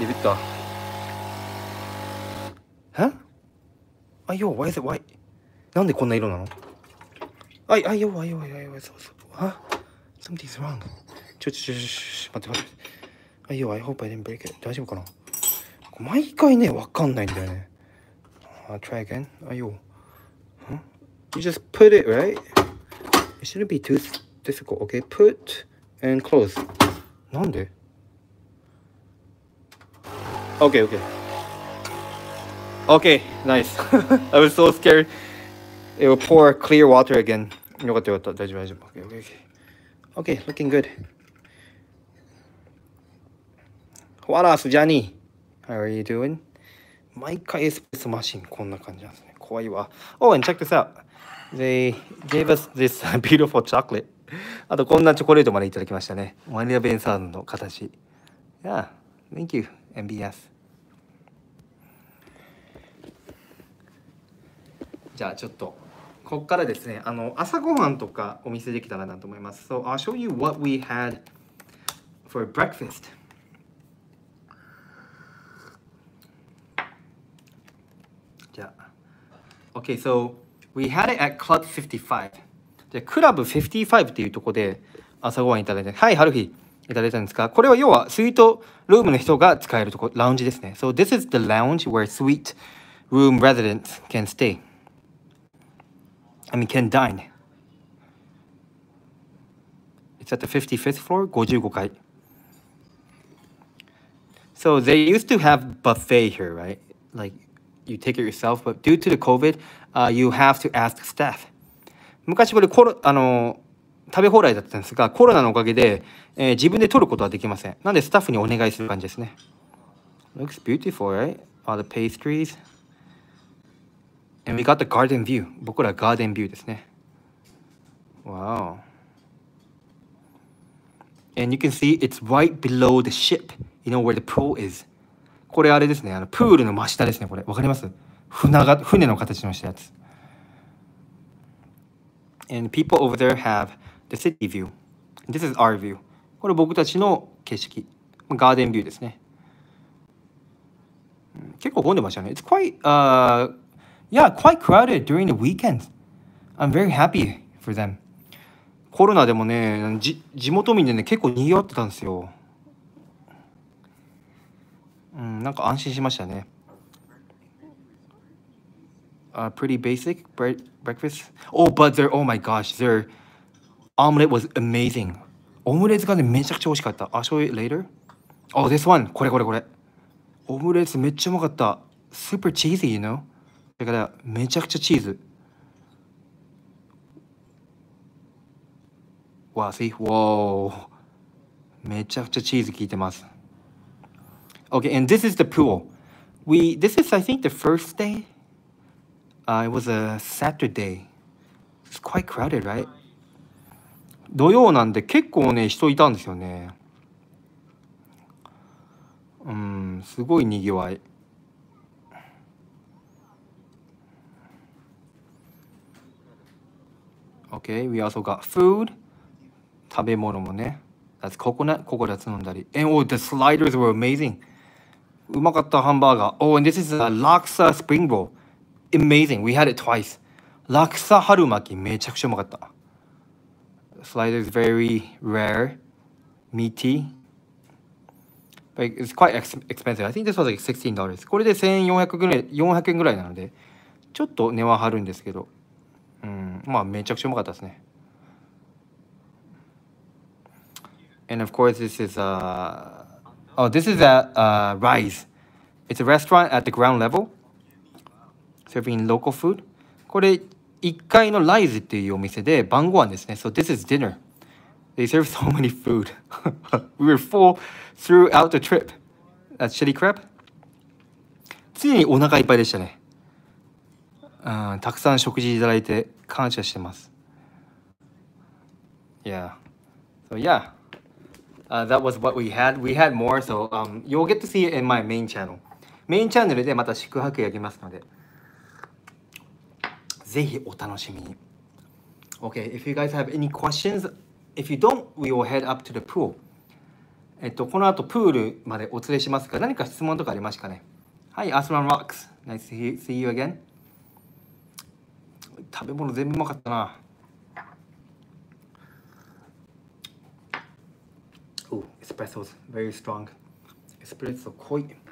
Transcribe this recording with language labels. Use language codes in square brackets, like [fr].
[ja] ビビった。え？あいよ、 [en] why is it white？ [ja] なんでこんな色なの？あいあいよ、あいよあいよあいよ、そうそう。あ、 [en] something's wrong。 [ja] ちょ、待って待って。 [en] あいよ、I hope I didn't break it。 [ja] 大丈夫かな？毎回ね、わかんないんだよね。 [en] Try again。 あいよ。 You just put it right。It shouldn't be too difficult。 Okay、put and close。 [ja] なんで [en] ?OK, OK. OK, nice. I was so scared. It will pour clear water again. [ja] よかったよかった。大丈夫大丈夫。 [en] OK, OK, OK. OK, looking good. What else, Johnny? How are you doing? [ja] 毎回エスプレッソマシンこんな感じなんですね。怖いわ。 [en] Oh, and check this out. They gave us this beautiful chocolate. [ja] あとこんなチョコレートまでいただきましたね。マリナベイサンズの形。 [en] Yeah, thank you, MBS. [ja] じゃあちょっと、こっからですね、朝ごはんとかお見せできたらなと思います。 [en] So I'll show you what we had for breakfast. じゃあ、Okay, so we had it at Club 55. [ja] でクラブ55っていうとこで朝ごはんいただいて、はい、ハルヒいただいたんですが、これは要はスイートルームの人が使えるとこ、ラウンジですね。 [en] So this is the lounge where suite room residents can stay. I mean, can dine. It's at the 55th floor, 55階。 So they used to have buffet here, right? Like, you take it yourself, but due to the COVID,you have to ask staff. [ja] 昔これ食べ放題だったんですが、コロナのおかげで、自分で取ることはできません。なんでスタッフにお願いする感じですね。 [en] Looks beautiful, right? All the pastries. And we got the garden view. [ja] 僕らガーデンビューですね。 [en] Wow. And you can see it's right below the ship. You know where the pool is. [ja] これあれですね。プールの真下ですね。これ。わかります？船の形のしたやつ。 [en] And people over there have the city view. This is our view. [ja] これ僕たちの景色。ガーデンビューですね。結構混んでましたね。 [en] It's quite, quite crowded during the weekends. I'm very happy for them. [ja] コロナでもね、地元民でね、結構賑わってたんですよ。なんか安心しましたね。 [en] Pretty basic breakfast. Oh, but their, oh my gosh, their omelette was amazing. [ja] オムレツがね、めちゃくちゃ美味しかった。 [en] I'll show you later. Oh, this one. [ja] これこれこれ。オムレツめっちゃうまかった。 [en] Super cheesy, you know? [ja] だから、めちゃくちゃチーズ。 [en] わあ、see? Whoa. [ja] めちゃくちゃチーズ効いてます。 [en] Okay, and this is the pool. This is, I think, the first day. It was a Saturday. It's quite crowded, right? [ja] 土曜なんで結構ね、人いたんですよね。すごいにぎわい。 [en] Okay, we also got food. [ja] 食べ物もね。 [en] That's coconut. [ja] ココナッツ飲んだり。 [en] And oh, the sliders were amazing. [ja] うまかったハンバーガー。 [en] Oh, and this is a laksa spring roll. Amazing. We had it twice. Laksa [ja] 春巻き、めちゃくちゃうまかった。 [en] Slider is very rare, meaty. But it's quite expensive. I think this was like $16. [ja] これで1400円ぐらいなので、ちょっと値は張るんですけど。まあ、めちゃくちゃうまかったですね。 [en] And of course, this is Rise. It's a restaurant at the ground level, serving local food. [ja] これ1階のライズっていうお店で晩ご飯ですね。 [en] So this is dinner. They serve so many food. We were full throughout the trip. That's shitty crap. [ja] 常にお腹いっぱいでしたね。たくさん食事いただいて感謝してます。 [en] Yeah. So yeah. That was what we had. We had more. So you'll get to see it in my main channel. [ja] メインチャンネルでまた宿泊やりますので。ぜひお楽しみに。 [en] Okay, if you guys have any questions, if you don't, we will head up to the pool. [ja] この後プールまでお連れしますか。何か質問とかありますかね。 [en] はい、Aslan Rocks. Nice to see you again. [ja] 食べ物全部うまかったな。 [en] Oh, espresso's very strong. Espresso [ja] 濃い。